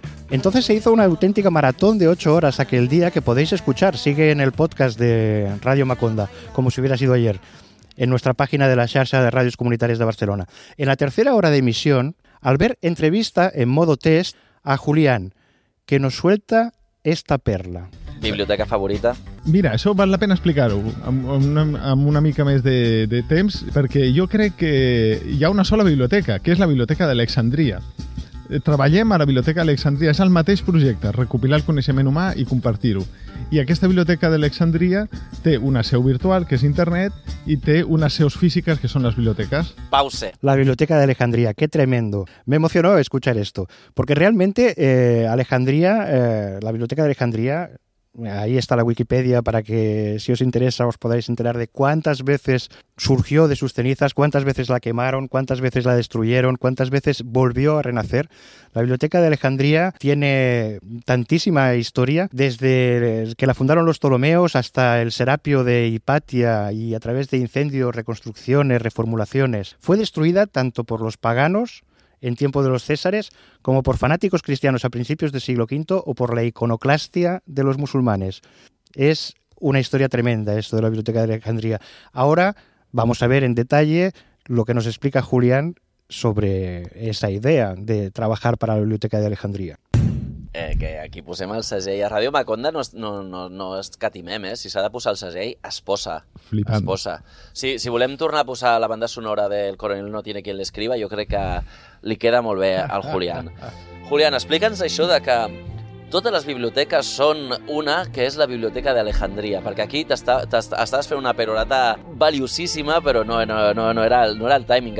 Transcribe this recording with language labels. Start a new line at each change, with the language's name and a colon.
Spanish: Entonces se hizo una auténtica maratón de 8 horas aquel día que podéis escuchar, sigue en el podcast de Radio Maconda, como si hubiera sido ayer, en nuestra página de la Xarxa de Radios Comunitarias de Barcelona. En la tercera hora de emisión, Albert entrevista en modo test a Julián, que nos suelta esta perla. ¿Biblioteca favorita?
Catalan: Mira, això val la pena explicar-ho amb una mica més de temps, perquè jo crec que hi ha una sola biblioteca, que és la Biblioteca d'Alexandria. Treballem a la Biblioteca d'Alexandria, és el mateix projecte, recopilar el coneixement humà i compartir-ho. I aquesta Biblioteca d'Alexandria té una seu virtual, que és internet, i té unes seus físiques, que són les biblioteques. Pause.
Spanish: La Biblioteca d'Alexandria, qué tremendo. Me emocionó escuchar esto, porque realmente Alexandria, la Biblioteca d'Alexandria, Ahí está la Wikipedia para que, si os interesa, os podáis enterar de cuántas veces surgió de sus cenizas, cuántas veces la quemaron, cuántas veces la destruyeron, cuántas veces volvió a renacer. La Biblioteca de Alejandría tiene tantísima historia, desde que la fundaron los Ptolomeos hasta el Serapio de Hipatia y a través de incendios, reconstrucciones, reformulaciones. Fue destruida tanto por los paganos en tiempo de los Césares, como por fanáticos cristianos a principios del siglo V o por la iconoclastia de los musulmanes. Es una historia tremenda esto de la Biblioteca de Alejandría. Ahora vamos a ver en detalle lo que nos explica Julián sobre esa idea de trabajar para la Biblioteca de Alejandría.
Catalan: Que aquí posem el segell. A Ràdio Maconda no escatimem, eh? Si s'ha de posar el segell, es posa. Flipant. Es posa. Sí, si volem tornar a posar la banda sonora del Coronel No Tiene Quien Le Escriba, jo crec que li queda molt bé al Julián. Julián, explica'ns això de que totes les biblioteques són una, que és la Biblioteca d'Alejandria, perquè aquí t'estàs fent una perorata valiosíssima, però no era el timing.